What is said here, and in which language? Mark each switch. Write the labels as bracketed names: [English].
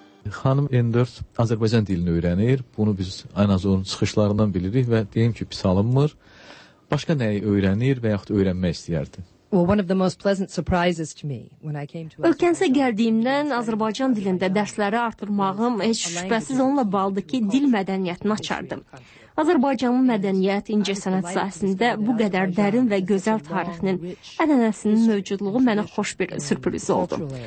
[Azerbaijani] Xanım N4 Azərbaycan dilini öyrənir. Bunu biz ən az onun çıxışlarından bilirik və deyim ki, pis alınmır. Başqa nəyi öyrənir və yaxud öyrənmək istəyərdi? [English] Well, one of the most pleasant surprises to me when I came to [Azerbaijani] Ölkənizə gəldiyimdən Azərbaycan dilində dərsləri artırmağım heç şübhəsiz onunla bağlıdır ki, dil mədəniyyətini açardım. Azərbaycanın mədəniyyət, incəsənət sahəsində bu qədər dərin və gözəl tarixinin, ənənəsinin mövcudluğu mənə xoş bir sürpriz oldu.